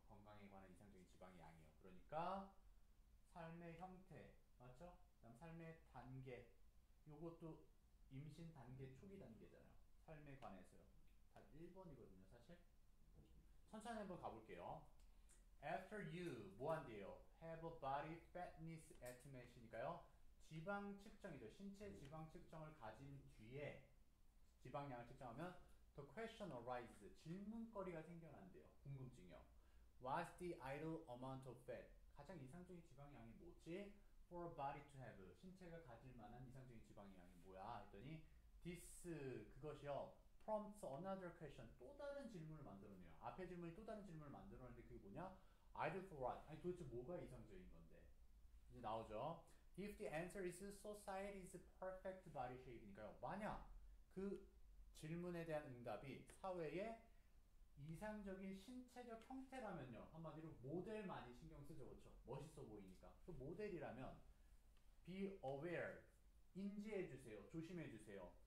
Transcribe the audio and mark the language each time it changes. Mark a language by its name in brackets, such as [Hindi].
[Korean] 건강에 관한 이상적인 지방의 양이에요. 그러니까 삶의 형태, 맞죠? 그다음 삶의 단계, 요것도 임신 단계 초기 단계잖아요. 삶에 관해서요. 다 1번이거든요, 사실. 천천히 한번 가볼게요. [English] After you, 뭐 한대요? Have a body fatness estimation이니까요. [Korean] 지방 측정이죠. 신체 지방 측정을 가진 뒤에 지방량을 측정하면 The question arises, 질문거리가 생겨난대요. 궁금증이요. [English] What's the ideal amount of fat? [Korean] 가장 이상적인 지방량이 뭐지? For a body to have, 신체가 가질 만한 이상적인 지방량이 뭐야? 했더니 그것이요. Prompts another question, 또 다른 질문을 만들어내요. 앞에 질문이 또 다른 질문을 만들어내는데 그게 뭐냐? [English] Ideal for what? [Korean] 아니 도대체 뭐가 이상적인 건데? 이제 나오죠. [English] If the answer is society's perfect body shape니까요. [Korean] 만약 그 질문에 대한 응답이 사회의 이상적인 신체적 형태라면요. 한마디로 모델만이 신경 쓰죠. 그렇죠? 멋있어 보이니까. 그 모델이라면 be aware, 인지해 주세요. 조심해 주세요.